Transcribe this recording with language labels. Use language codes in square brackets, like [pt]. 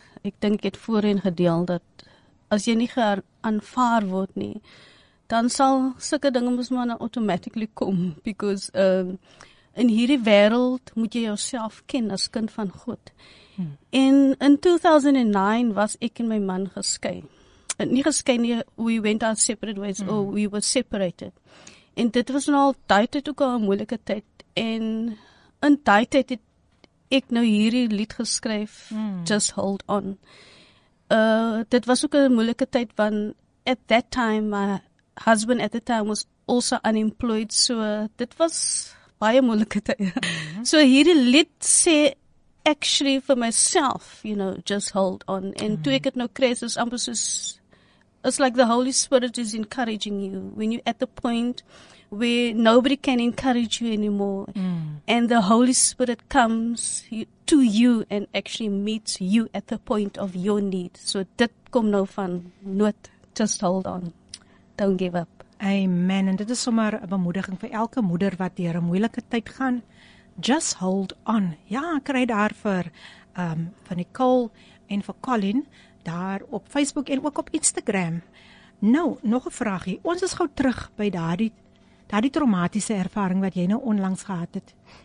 [af] Ek dink ek het voorheen gedeel dat, as jy nie geaanvaar word nie, dan sal sulke dinge mos maar nou automatically kom, because in hierdie wêreld moet jy jouself ken as kind van God. En in 2009 was ek en my man geskei. Nie geskei nie, [en] we went our separate ways, or we were separated. [af] En dit was nou al die tyd ook al een moeilike tyd. En in die tyd het ek nou hierdie lied geskryf, Just Hold On. Dit was ook een moeilike tyd, want [en] at that time, my husband at the time was also unemployed, [af] so dit was baie moeilike tyd. So hierdie lied sê, [en] actually for myself, you know, just hold on. And [af] toe ek het nou kreis, is amper soos, [en] it's like the Holy Spirit is encouraging you when you're at the point where nobody can encourage you anymore. And the Holy Spirit comes to you and actually meets you at the point of your need. [af] So dit kom nou van nood, [en] just hold on, don't give up. [af] Amen. En dit is sommer 'n bemoediging vir elke moeder wat deur 'n moeilike tyd gaan. [en] Just hold on. [af] Ja, kry daar vir Nicole en vir Colin daar op Facebook en ook op Instagram. Nou, nog 'n vraagie. Ons is gou terug by daardie traumatiese ervaring wat jy nou onlangs gehad het.